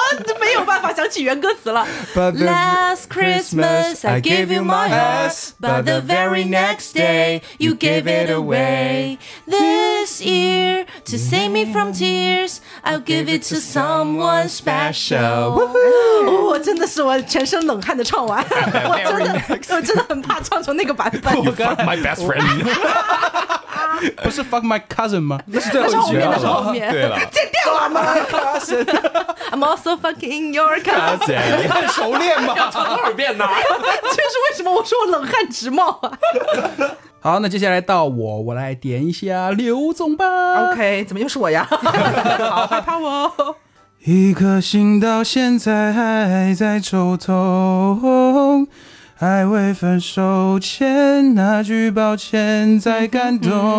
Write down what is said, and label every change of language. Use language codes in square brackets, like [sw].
[zh] 我没有办法想起原歌词了。 [en] Last Christmas I gave you my heart, but the very next day you gave it away. This year to save me from tears, I'll give it to someone special. [zh] 我真的是我全身冷汗的唱完，我真的很怕唱成那个版本。 [en] Fuck my best friend. [zh] 不是 [en] fuck my cousin [zh] 吗？那是最后一句了。对了，剪掉了吗？ [en] I'm also fucking your cousin. [zh] 你很熟练吗？要唱多少遍呢？就是为什么我说我冷汗直冒啊？好，那接下来到我来点一下刘总吧。 OK， 怎么又是我呀？好害怕我。一颗心到现在还在抽痛，还未分手前那句抱歉在感动。